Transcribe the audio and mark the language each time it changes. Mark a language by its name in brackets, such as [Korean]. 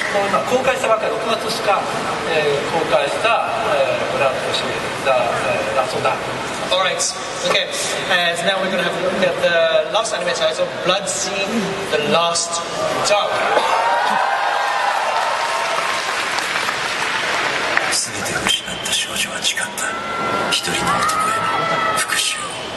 [Japanese] まあ、公開したばかり、6月2日、公開した、ブラッドシーザー、ラストダ [English] ーク。Alright, okay. And now we're gonna have a look at the last anime title, Blood Sea, The Last Dark. [Japanese] 全てを失った少女は誓った一人の男への復讐を。